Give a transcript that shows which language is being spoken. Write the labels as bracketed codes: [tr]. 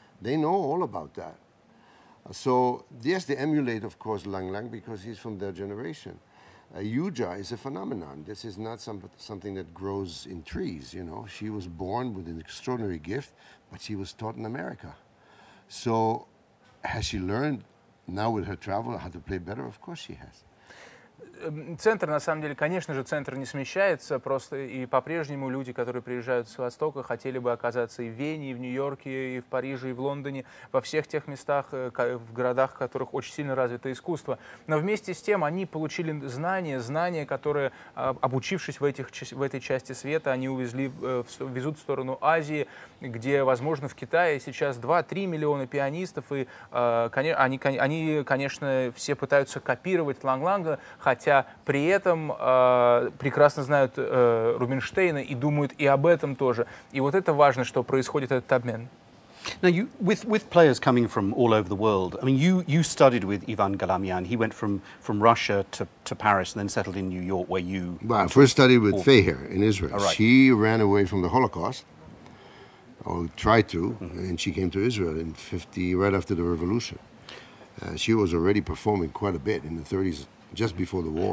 [en] They know all about that. So, yes, they emulate, of course, Lang Lang because he's from their generation. Yuja is a phenomenon. This is not something that grows in trees, you know. She was born with an extraordinary gift, but she was taught in America. So has she learned now with her travel how to play better? Of course she has. [ru] Центр, на самом деле, конечно же, центр не смещается, просто и по-прежнему люди, которые приезжают с Востока, хотели бы оказаться и в Вене, и в Нью-Йорке, и в Париже, и в Лондоне, во всех тех местах, в городах, в которых очень сильно развито искусство. Но вместе с тем они получили знания, которые, обучившись в этой части света, они везут в сторону Азии, где, возможно, в Китае сейчас 2-3 миллиона пианистов, и они, конечно, все пытаются копировать Ланг-Ланга, хотя при этом прекрасно знают Рубинштейна и думают и об этом тоже. И вот это важно, что происходит этот обмен. [en] Now, you, with players coming from all over the world, I mean, you studied with Ivan Galamian. He went from Russia to Paris and then settled in New York where you... Well, I first studied with Feher in Israel. Right. She ran away from the Holocaust, or tried to, mm-hmm. and she came to Israel in 50, right after the revolution. She was already performing quite a bit in the 30s, just before the war.